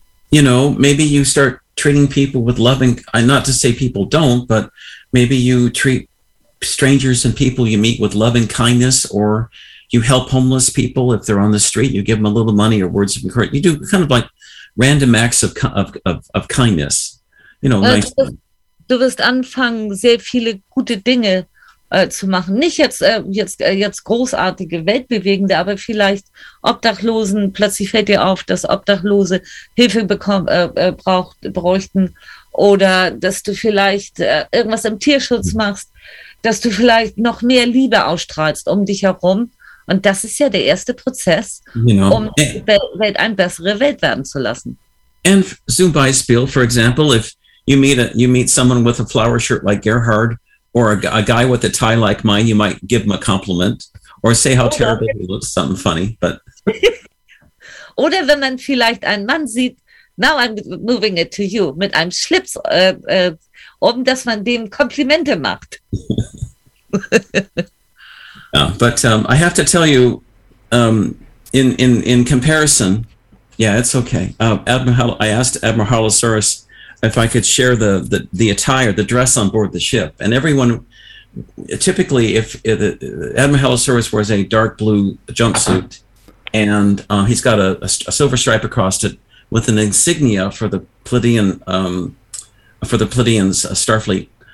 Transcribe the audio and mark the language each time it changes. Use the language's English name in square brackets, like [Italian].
[English] You know, maybe you start treating people with loving, not to say people don't, but maybe you treat strangers and people you meet with loving kindness, or you help homeless people if they're on the street, you give them a little money or words of encouragement. You do kind of like random acts of kindness, you know. Nice. [German] Du wirst anfangen, sehr viele gute Dinge zu machen. Nicht jetzt großartige, weltbewegende, aber vielleicht Obdachlosen. Plötzlich fällt dir auf, dass Obdachlose Hilfe bräuchten. Oder dass du vielleicht irgendwas im Tierschutz machst. Dass du vielleicht noch mehr Liebe ausstrahlst um dich herum. Und das ist ja der erste Prozess, um die Welt eine bessere Welt werden zu lassen. [English] And [German] zum Beispiel, [English] for example, if you meet someone with a flower shirt like Gerhard, or a guy with a tie like mine, you might give him a compliment or say how terrible he looks, something funny. But [German] oder wenn man vielleicht einen Mann sieht, [English] now I'm moving it to you, [German] mit einem Schlips, dass man dem Komplimente macht. [English] Yeah, but I have to tell you, in comparison, yeah, it's okay. I asked Admiral Halosaurus if I could share the attire, the dress on board the ship. And everyone, typically, if Admiral Halosaurus wears a dark blue jumpsuit, and he's got a silver stripe across it with an insignia for the Pleiadian, Starfleet.